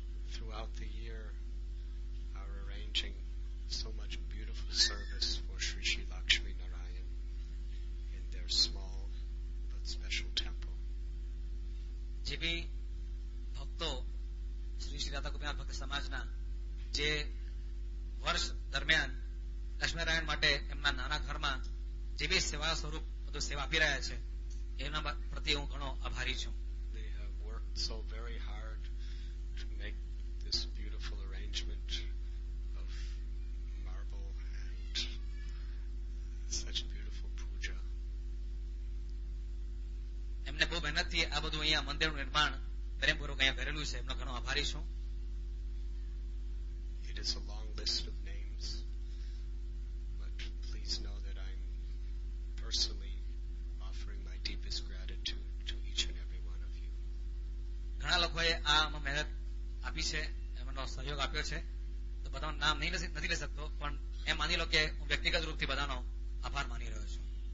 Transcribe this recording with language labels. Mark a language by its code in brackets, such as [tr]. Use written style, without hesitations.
[en] Throughout the year are arranging so much beautiful service for Sri Sri Lakshmi Narayan in their small but special temple. [gu] જેવી ભક્તો શ્રી શ્રી રાધા ગોપીનાથ ભક્ત સમાજના જે વર્ષ દરમિયાન લક્ષ્મીનારાયણ માટે એમના નાના ઘરમાં જેવી સેવા સ્વરૂપ બધું સેવા આપી રહ્યા છે એના પ્રત્યે હું ઘણો આભારી છું. [en] They have worked so very hard to make this beautiful arrangement of marble and such beautiful puja. [gu] એમને બહુ મહેનતથી આ બધું અહીંયા મંદિરનું નિર્માણ પ્રેમપૂર્વક અહીંયા કરેલું છે એમનો ઘણો આભારી છું. [en] It is a long list of names, but please know that I'm personally offering my deepest gratitude to each and every one of you. [gu] ઘણા લોકોએ આ મહેનત આપી છે એમનો સહયોગ આપ્યો છે તો બધાનું નામ નથી લઈ શકતો પણ એમ માની લો કે હું વ્યક્તિગત રૂપથી બધાનો આભાર માની રહ્યો છું.